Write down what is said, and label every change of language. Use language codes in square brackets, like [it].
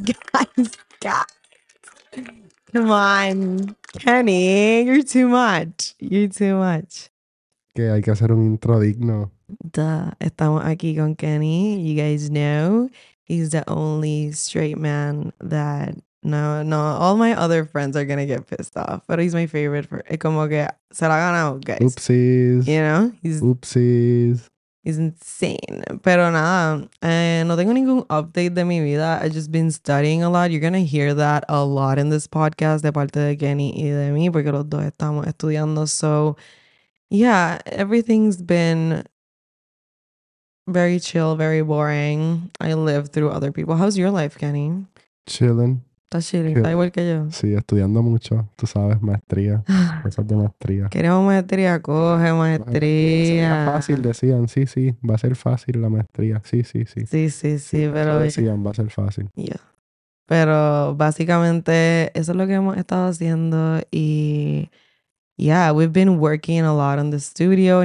[en] Guys, come on, Kenny, you're too much. You're too much. [es] Que hay que hacer un intro digno. Duh, estamos aquí con Kenny. [en] You guys know he's the only straight man that no. All my other friends are gonna get pissed off, but he's my favorite. For it, [es] como que se la ganó, guys. [en] Oopsies. You know, oopsies. He's insane. [es] Pero nada, no tengo ningún update de mi vida. [en] I've just been studying a lot. You're gonna hear that a lot in this podcast, [es] de parte de Kenny y de mí, porque los dos estamos estudiando. [en] So yeah, everything's been very chill, very boring. I live through other people. How's your life, Kenny? Chilling. [es] Está chilling. Está igual que yo. Sí, estudiando mucho. Tú sabes, maestría. Cosas de maestría. Queremos maestría. Coge maestría. Sería fácil, decían. Sí, sí. Va a ser fácil la maestría. Sí, sí, sí. Sí, sí, sí. Pero decían, va a ser fácil. [en] Yeah. [es] Pero básicamente, eso es lo que hemos estado haciendo. [en] Y yeah, we've been working a lot on the studio.